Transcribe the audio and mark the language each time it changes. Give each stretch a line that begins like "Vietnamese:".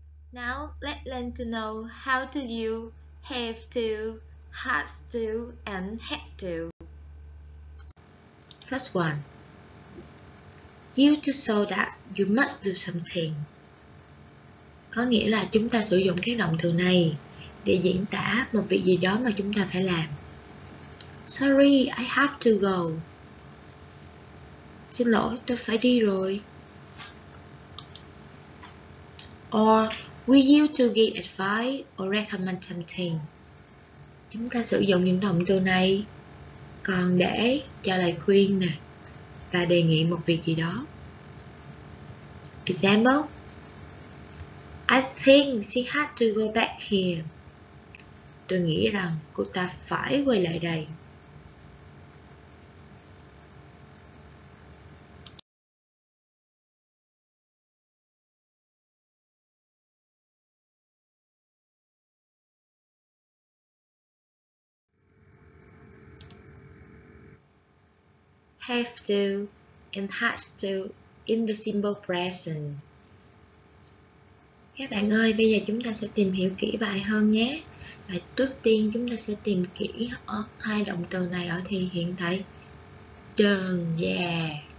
English: Now, let's learn to know how to use have to, has to, and had to. First one. Use to show that you must do something.
Vietnamese: Có nghĩa là chúng ta sử dụng cái động từ này để diễn tả một việc gì đó mà chúng ta phải làm.
English: Sorry, I have to go.
Vietnamese: Xin lỗi, tôi phải đi rồi.
English: Or we use to give advice or recommend something.
Vietnamese: Chúng ta sử dụng những động từ này còn để cho lời khuyên nè và đề nghị một việc gì đó.
English: Example: I think she had to go back here.
Vietnamese: Tôi nghĩ rằng cô ta phải quay lại đây.
English: Have to and has to in the simple present.
Vietnamese: Các bạn ơi, bây giờ chúng ta sẽ tìm hiểu kỹ bài hơn nhé. Và trước tiên chúng ta sẽ tìm kỹ ở hai động từ này ở thì hiện tại trường già.